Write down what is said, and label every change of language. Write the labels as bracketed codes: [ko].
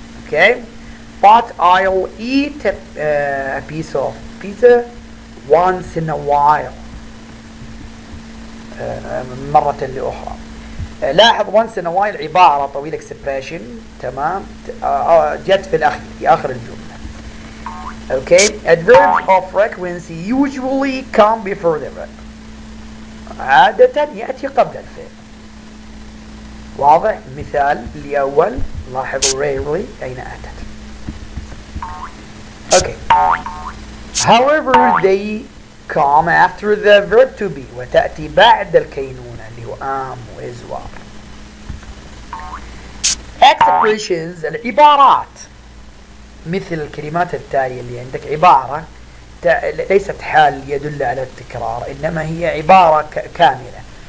[en] Okay, but I'll eat a piece of pizza once in a while. [ar] مرة لأخرى. لاحظ [en] once in a while [ar] عبارة طويلة expression، تمام، جت في الأخير في آخر الجملة. [en] Okay, adverbs of frequency usually come before the verb. [ar] عادة يأتي قبل الفعل. واضح؟ مثال لأول، لاحظوا rarely أين أتت. [en] Okay. However, they come after the verb to be. [ar] وتأتي بعد الكينونة اللي هو am is were. Expressions العبارات. مثل الكلمات التالية اللي عندك عبارة ليست حال يدل على التكرار، إنما هي عبارة كاملة.